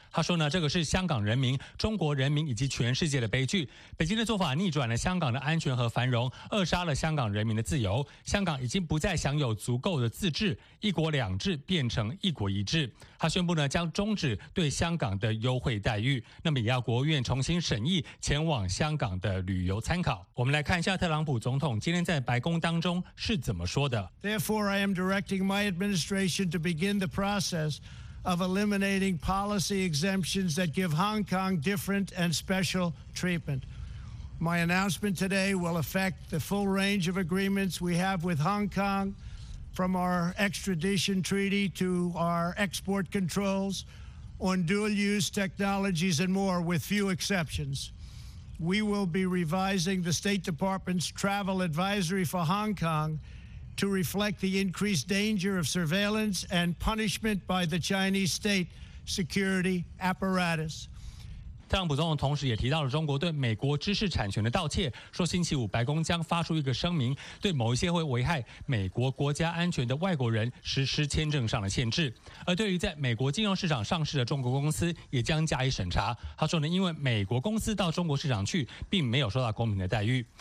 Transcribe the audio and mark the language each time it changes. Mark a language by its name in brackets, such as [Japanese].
[Chinese] 他说呢，这个是香港人民、中国人民以及全世界的悲剧，北京的做法逆转了香港的安全和繁荣，扼杀了香港人民的自由，香港已经不再享有足够的自治，一国两制变成一国一制。他宣布呢，将终止对香港的优惠待遇，那么也要国务院重新审议前往香港的旅游参考。我们来看一下特朗普总统今天在白宫当中是怎么说的。 [English] Therefore, I am directing my administration to begin the process of eliminating policy exemptions that give Hong Kong different and special treatment. My announcement today will affect the full range of agreements we have with Hong Kong,from our extradition treaty to our export controls on dual-use technologies and more, with few exceptions. We will be revising the State Department's travel advisory for Hong Kong to reflect the increased danger of surveillance and punishment by the Chinese state security apparatus. [Chinese] 特朗普总统同时也提到了中国对美国知识产权的盗窃，说星期五白宫将发出一个声明，对某一些会危害美国国家安全的外国人实施签证上的限制。而对于在美国金融市场上市的中国公司也将加以审查。他说呢，因为美国公司到中国市场去并没有受到公平的待遇。